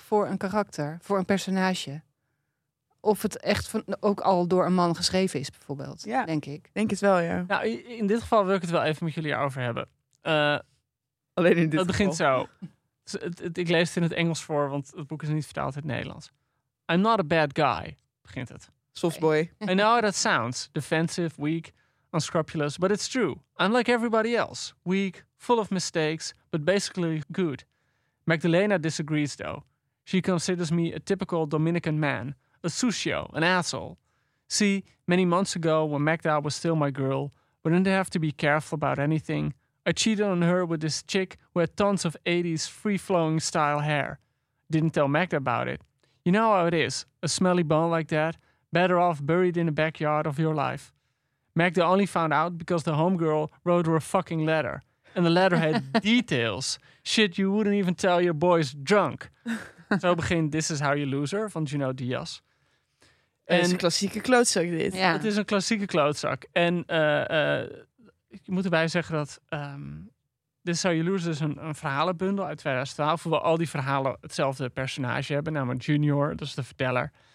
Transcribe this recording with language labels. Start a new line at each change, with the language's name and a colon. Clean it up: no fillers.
Dutch: Voor een karakter, voor een personage. Of het echt van, ook al door een man geschreven is, bijvoorbeeld, ja, denk ik. Denk het wel, ja. Nou, in dit geval wil ik het wel even met jullie over hebben. Alleen in dit geval. Dat begint zo. Ik lees het in het Engels voor, want het boek is niet vertaald in het Nederlands.
English: I'm not a bad guy,
Dutch: begint het.
English: Softboy. I know how that sounds. Defensive, weak, unscrupulous, but it's true. I'm like everybody else. Weak, full of mistakes, but basically good. Magdalena disagrees, though. She considers me a typical Dominican man. A sucio, an asshole. See, many months ago, when Magda was still my girl, we didn't have to be careful about anything. I cheated on her with this chick who had tons of 80s free-flowing style hair. Didn't tell Magda about it. You know how it is, a smelly bone like that, better off buried in the backyard of your life. Magda only found out because the homegirl wrote her a fucking letter. And the letter had details. Shit, you wouldn't even tell your boys drunk.
Dutch: Zo begint This Is How You Lose Her van Junot Diaz. En is een klassieke klootzak dit. Ja. Het is een klassieke klootzak. En ik moet erbij zeggen dat This Is How You Lose Her is een verhalenbundel uit 2012. Waar al die verhalen hetzelfde personage hebben. Namelijk Junior, dat is de verteller.